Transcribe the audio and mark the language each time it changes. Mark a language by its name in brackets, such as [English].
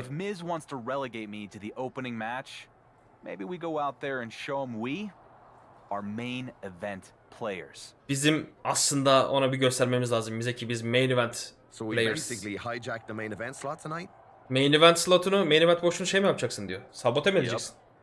[English] If Miz wants to relegate me to the opening match, maybe we go out there and show him we are main event players. [Turkish] Bizim aslında ona bir göstermemiz lazım bize ki biz [English] main event players. So we basically hijack the main event slot tonight. [Turkish] Main event slotunu, main event boşluğunu şey mi yapacaksın diyor. Sabote mi edeceksin?